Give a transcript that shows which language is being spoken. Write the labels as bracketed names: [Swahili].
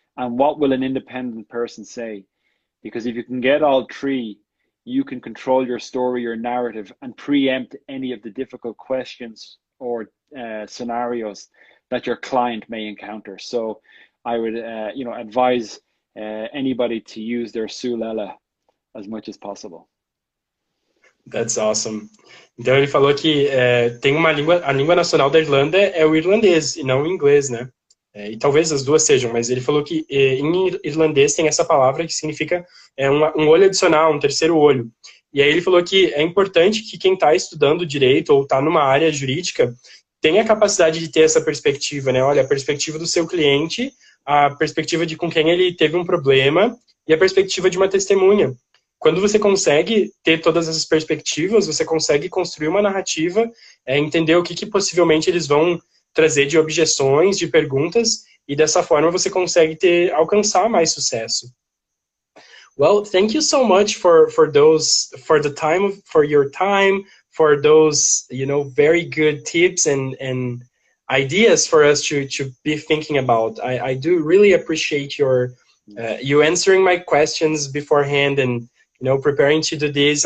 [English] And what will an independent person say? Because if you can get all three, you can control your story, your narrative, and preempt any of the difficult questions or scenarios that your client may encounter. So I would, you know, advise anybody to use their sulele as much as possible. That's awesome. [Portuguese] Então ele falou que tem uma língua, a língua nacional da Irlanda é o irlandês e não o inglês, né? E talvez as duas sejam, mas ele falou que em irlandês tem essa palavra que significa um olho adicional, um terceiro olho. E aí ele falou que é importante que quem está estudando direito ou está numa área jurídica tenha a capacidade de ter essa perspectiva, né? Olha, a perspectiva do seu cliente, a perspectiva de com quem ele teve um problema e a perspectiva de uma testemunha. Quando você consegue ter todas essas perspectivas, você consegue construir uma narrativa, entender o que possivelmente eles vão trazer de objeções, de perguntas, e dessa forma você consegue alcançar mais sucesso. [English] Well, thank you so much for your time, for those, you know, very good tips and ideas for us to be thinking about. I do really appreciate you answering my questions beforehand and, you know, preparing to do this.